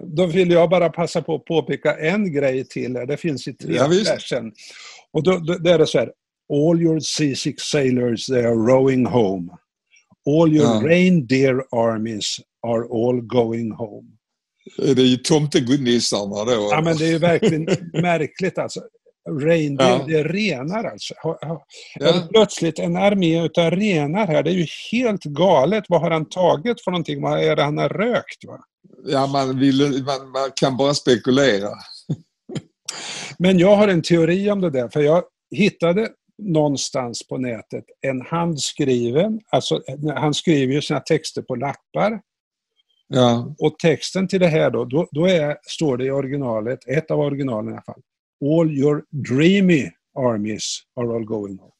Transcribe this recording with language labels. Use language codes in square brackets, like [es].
[sv] Då vill jag bara passa på att påpeka en grej till. Det finns i tre versen. Och då är det så här. [en] All your seasick sailors, they are rowing home. All your reindeer armies are all going home. [sv] Är det ju tomtegudnissarna då? Ja, men det är ju verkligen märkligt alltså. Reindeer, det är renar alltså. Plötsligt en armé utav renar här, det är ju helt galet. Vad har han tagit för någonting? Vad är det han har rökt, va? Ja, man kan bara spekulera. Men jag har en teori om det där, för jag hittade någonstans på nätet en handskriven, alltså han skriver ju sina texter på lappar. Ja. Och texten till det här står det i originalet, ett av originalen i alla fall. [en] All your dreamy armies are all going home.